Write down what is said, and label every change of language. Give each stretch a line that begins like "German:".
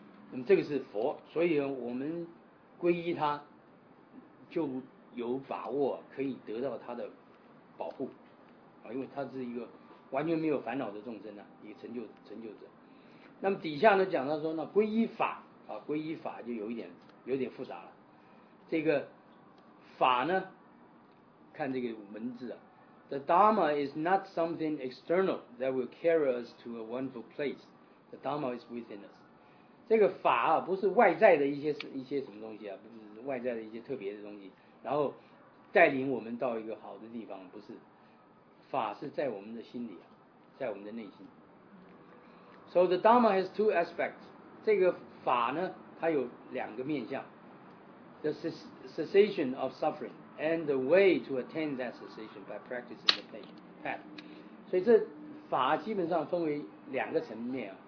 Chinese: 那么这个是佛，所以我们皈依他，就有把握可以得到他的保护啊，因为他是一个完全没有烦恼的众生呢、啊，一个成就者。那么底下呢讲到说呢，皈依法啊，皈依法就有点复杂了。这个法呢？看这个文字啊，
English: The Dharma is not something external that will carry us to a wonderful place. The Dharma is within us.
Chinese: 这个法啊，不是外在的一些什么东西啊，不是外在的一些特别的东西，然后带领我们到一个好的地方，不是。法是在我们的心里啊，在我们的内心。
English: So the Dharma has two aspects.
Chinese: 这个法呢，它有两个面向。
English: The cessation of suffering and the way to attain that cessation by practicing the path.
Chinese: 所以这法基本上分为两个层面啊。